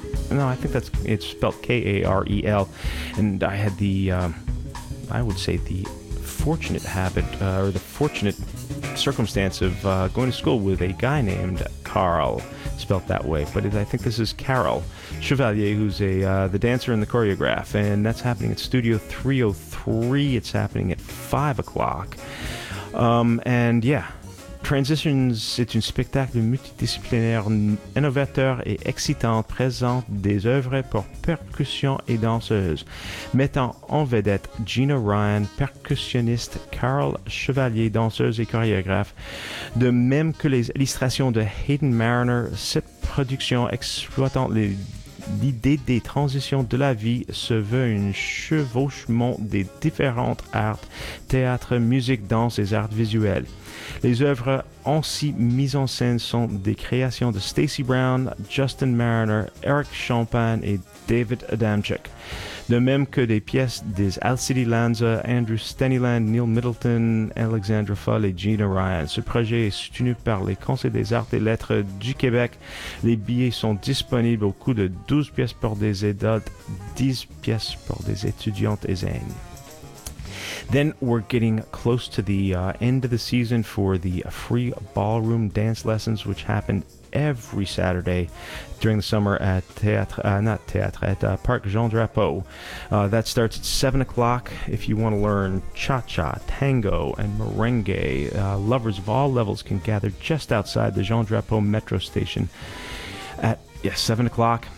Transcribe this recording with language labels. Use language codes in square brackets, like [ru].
[en] No, I think it's spelled K-A-R-E-L. And I had the, I would say, the fortunate habit or the fortunate circumstance of going to school with a guy named Karel, spelled that way. But I think this is Karel Chevalier, who's a the dancer and the choreograph, and that's happening at Studio 303. It's happening at 5 o'clock. And yeah, [fr] Transitions, c'est un spectacle multidisciplinaire, innovateur et excitant, présente des œuvres pour percussion et danseuse, mettant en vedette Gina Ryan, percussionniste, Karel Chevalier, danseuse et chorégraphe, de même que les illustrations de Hayden Mariner. Cette production exploitant les l'idée des transitions de la vie se veut un chevauchement des différentes arts, théâtre, musique, danse et arts visuels. Les œuvres ainsi mises en scène sont des créations de Stacy Brown, Justin Mariner, Eric Champagne et David Adamczyk. De même que des pièces des Alcide Lanza, Andrew Steniland, Neil Middleton, Alexandra Fall et Gina Ryan. Ce projet est soutenu par les Conseils des Arts et Lettres du Québec. Les billets sont disponibles au coût de 12 pièces pour des adultes, 10 pièces pour des étudiantes et zènes. [en] Then we're getting close to the end of the season for the free ballroom dance lessons, which happened every Saturday during the summer at Théâtre, not Théâtre, at Parc Jean Drapeau. That starts at 7 o'clock. If you want to learn cha-cha, tango, and merengue, lovers of all levels can gather just outside the Jean Drapeau metro station at 7 o'clock.